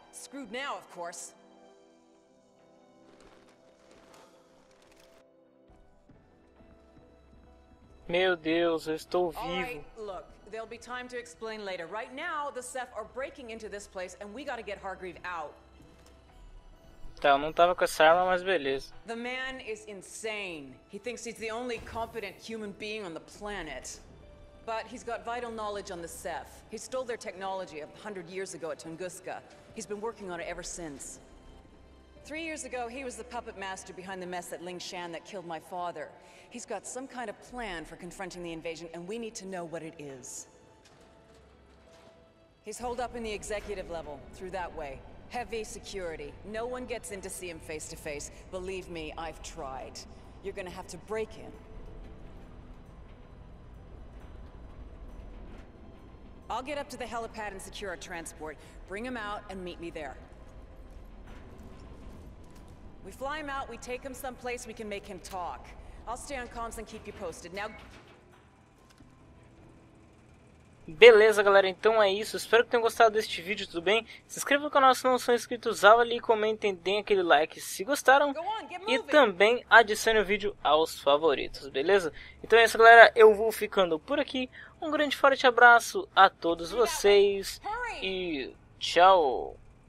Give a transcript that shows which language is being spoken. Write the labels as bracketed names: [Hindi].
[English] Screwed now, of course. [Portuguese] Meu Deus, eu estou vivo. [English] Alright, look, there'll be time to explain later. Right now, the Sith are breaking into this place and we gotta get Hargreave out. [Portuguese] Tá, eu não tava com essa arma, mas beleza. [English] The man is insane. He thinks he's the only competent human being on the planet. But he's got vital knowledge on the Sith. He stole their technology 100 years ago at Tunguska. He's been working on it ever since. 3 years ago, he was the puppet master behind the mess at Ling Shan that killed my father. He's got some kind of plan for confronting the invasion, and we need to know what it is. He's holed up in the executive level, through that way. Heavy security. No one gets in to see him face to face. Believe me, I've tried. You're gonna have to break in. I'll get up to the helipad and secure a transport. Bring him out and meet me there. We fly him out, we take him someplace we can make him talk. I'll stay on comms and keep you posted. Now... [Portuguese] Beleza, galera, então é isso. Espero que tenham gostado deste vídeo, tudo bem? Se inscrevam no canal se não são inscritos, avali e comentem, deem aquele like se gostaram. E também adicione o vídeo aos favoritos, beleza? Então é isso, galera, eu vou ficando por aqui. Um grande forte abraço a todos vocês e tchau!